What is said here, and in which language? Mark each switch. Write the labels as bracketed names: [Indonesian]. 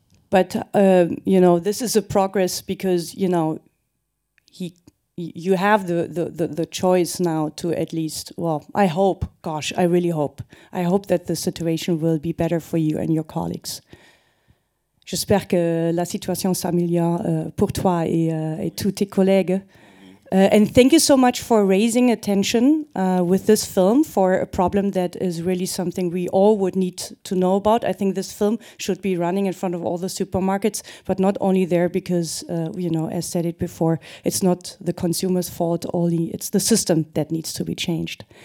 [English] But, this is a progress because, you have the choice now to at least, I hope that the situation will be better for you and your colleagues. [French] J'espère que la situation s'améliore pour toi et tous tes collègues. [English] And thank you so much for raising attention with this film for a problem that is really something we all would need to know about. I think this film should be running in front of all the supermarkets, but not only there because, as said it before, it's not the consumer's fault only, it's the system that needs to be changed.